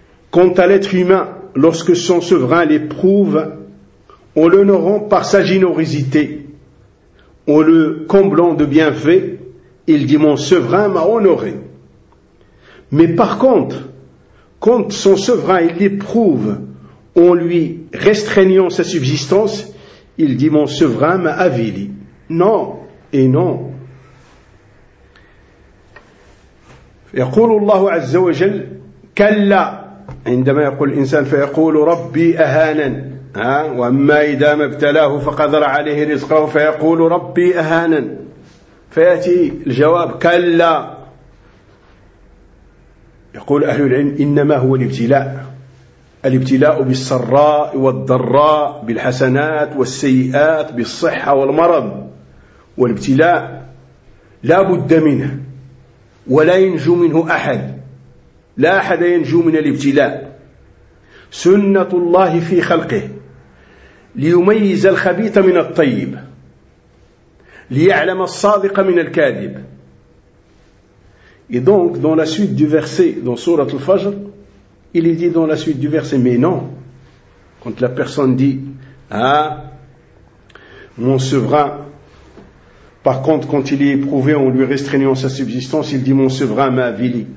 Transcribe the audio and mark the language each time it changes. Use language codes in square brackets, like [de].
[fr] Quant à l'être humain, lorsque son souverain l'éprouve, en l'honorant par sa générosité, en le comblant de bienfaits, il dit « Mon souverain m'a honoré ». Mais par contre, quand son souverain l'éprouve en lui restreignant sa subsistance, il dit « Mon souverain m'a avili ». Non et non. [ar] يقول الله عز وجل كلا عندما يقول الإنسان فيقول ربي أهانن, وأما إذا ما ابتلاه فقدر عليه رزقه فيقول ربي أهانن, فيأتي الجواب كلا. يقول أهل العلم إنما هو الابتلاء, الابتلاء بالسراء والضراء, بالحسنات والسيئات, بالصحة والمرض, والابتلاء لا بد منه ولا ينجو منه أحد, لا أحد ينجو من الابتلاء. سنة الله في خلقه ليميز الخبيث من الطيب, ليعلم الصادق من الكاذب. [fr] Et donc, dans la suite du verset, dans Sourate Al-Fajr, il est dit dans la suite du verset, mais non, quand la personne dit, ah, mon souverain, par contre, quand il est éprouvé en lui restreignant sa subsistance, il dit, mon souverain m'a avili.